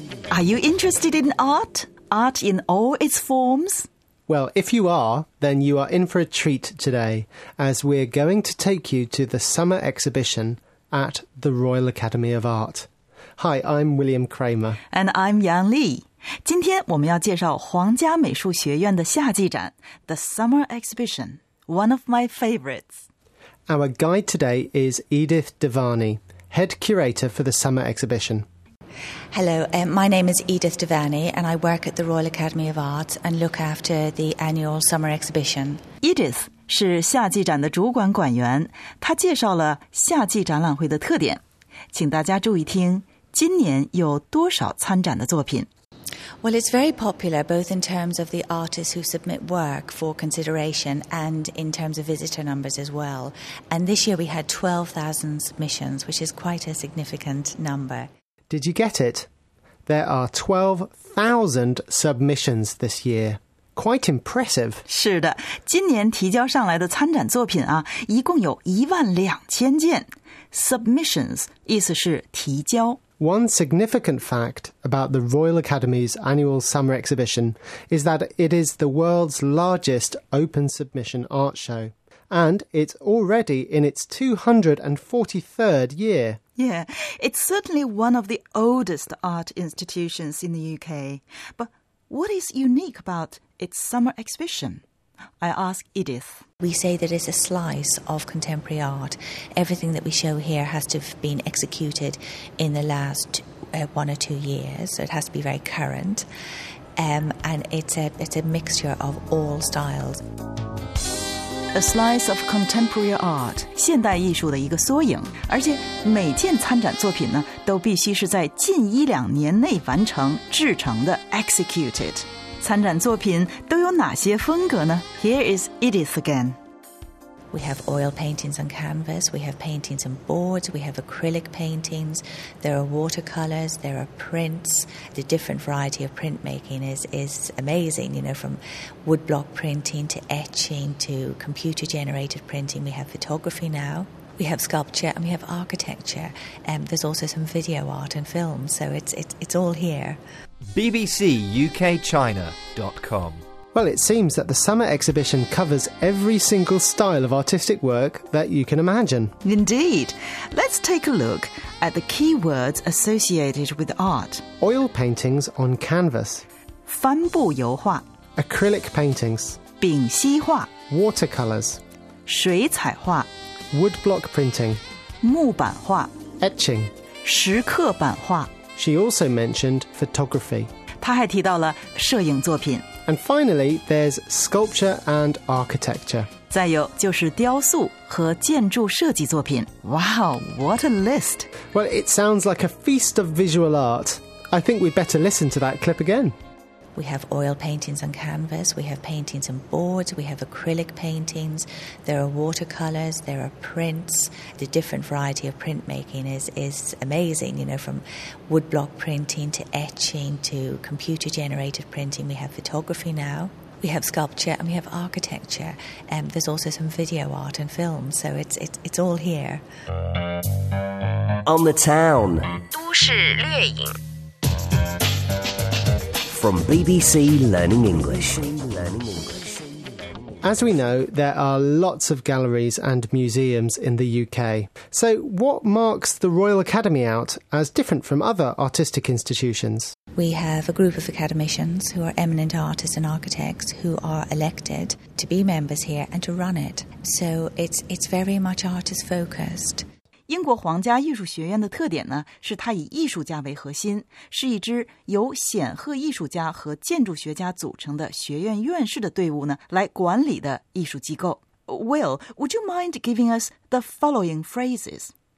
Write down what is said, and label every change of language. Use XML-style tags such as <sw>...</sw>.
<en>Are you interested in art? Art in all its forms? Well, if you are, then you are in for a treat today, as we're going to take you to the summer exhibition at the Royal Academy of Art. Hi, I'm William Cramer. And I'm Yang Li.</en> <zh>今天我们要介绍皇家美术学院的夏季展</zh> <en>The Summer Exhibition, one of my favorites. Our guide today is Edith Devani, head curator for the summer exhibition. Hello, my name is Edith Devani and I work at the Royal Academy of Art and look after the annual summer exhibition.</en> <zh>Edith 是夏季展的主管馆员，她介绍了夏季展览会的特点。请大家注意听，今年有多少参展的作品？</zh> <en>Well, it's very popular both in terms of the artists who submit work for consideration and in terms of visitor numbers as well. And this year we had 12,000 submissions, which is quite a significant number. Did you get it? There are 12,000 submissions this year. Quite impressive.</en> <zh>是的，今年提交上来的参展作品啊，一共有12,000件。 Submissions 意思是提交。</zh> <en>One significant fact about the Royal Academy's annual summer exhibition is that it is the world's largest open submission art show, and it's already in its 243rd year. Yeah, it's certainly one of the oldest art institutions in the UK. But what is unique about its summer exhibition? I ask Edith. We say that it's a slice of contemporary art. Everything that we show here has to have been executed in the last one or two years. So it has to be very current. And it's a mixture of all styles. A slice of contemporary art,</en> <zh>现代艺术的一个缩影，而且每件参展作品呢，都必须是在近一两年内完成制成的 ，executed。参展作品都有哪些风格呢 ？</zh> <en>Here is Edith again. We have oil paintings on canvas, we have paintings on boards, we have acrylic paintings, there are watercolors, there are prints. The different variety of printmaking is amazing, you know, from woodblock printing to etching to computer-generated printing. We have photography now, we have sculpture, and we have architecture. And there's also some video art and film, so it's all here. BBCUKChina.com Well, it seems that the summer exhibition covers every single style of artistic work that you can imagine. Indeed. Let's take a look at the key words associated with art. Oil paintings on canvas.</en> <zh>帆布油画</zh> <en>Acrylic paintings.</en> <zh>丙烯画</zh> <en>Watercolors.</en> <zh>水彩画</zh> <en>Woodblock printing.</en> <zh>木板画</zh> <en>Etching.</en> <zh>石刻版画</zh> <en>She also mentioned photography.</en> <zh>她还提到了摄影作品</zh> <en>And finally, there's sculpture and architecture.</en> <zh>再有就是雕塑和建筑设计作品。</zh> <en>Wow, what a list! Well, it sounds like a feast of visual art. I think we'd better listen to that clip again. We have oil paintings on canvas, we have paintings on boards, we have acrylic paintings, there are watercolors, there are prints. The different variety of printmaking is amazing, you know, from woodblock printing to etching to computer-generated printing. We have photography now, we have sculpture, and we have architecture. And there's also some video art and film, so it's all here. On the town.</en> <zh>都市猎影</zh> <en>From BBC Learning English. As we know, there are lots of galleries and museums in the UK. So what marks the Royal Academy out as different from other artistic institutions? We have a group of academicians who are eminent artists and architects who are elected to be members here and to run it. So it's very much artist-focused.</en> <zh>英国皇家艺术学院的特点呢，是它以艺术家为核心，是一支由显赫艺术家和建筑学家组成的学院院士的队伍呢，来管理的艺术机构。</zh> <en>Will, would you mind giving us the following phrases?</en>